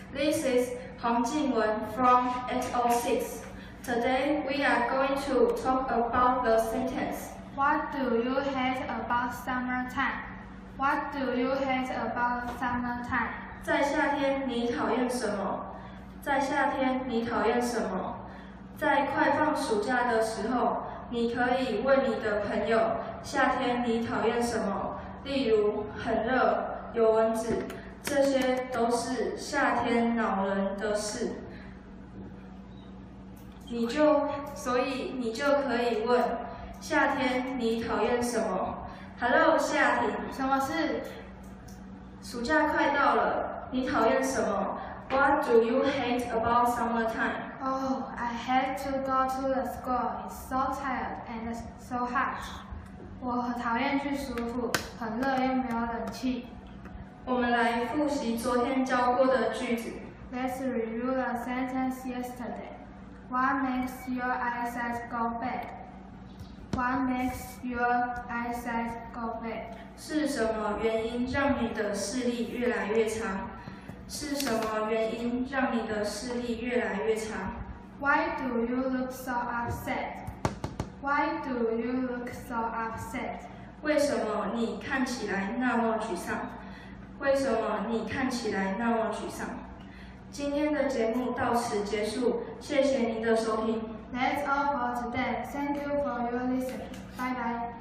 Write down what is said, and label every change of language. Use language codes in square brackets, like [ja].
[en] This is Hong Jingwen from 806. Today we are going to talk about the sentence. What do you hate about summertime? What do you hate about summertime? [zh] 在夏天你讨厌什么？在夏天你讨厌什么？在快放暑假的时候，你可以问你的朋友夏天你讨厌什么，例如很热、有蚊子，这些都是夏天恼人的事。所以你就可以问夏天你讨厌什么。 Hello， 夏婷，什么事？暑假快到了，你讨厌什么？ [en] What do you hate about summertime? Oh, I hate to go to the school. It's so tired and so hot. [zh] 我很讨厌去舒服，很热又没有冷气。我们来复习昨天教过的句子。 [en] Let's review the sentence yesterday. What makes your eyesight go bad? What makes your eyesight go bad? [zh] 是什么原因让你的视力越来越差？是什么原因让你的视力越来越差？ [en] Why do you look so upset? Why do you look so upset? [zh] 为什么你看起来那么沮丧？为什么你看起来那么沮丧？今天的节目到此结束，谢谢您的收听。 [en] That's all for today. Thank you for your listening. Bye bye.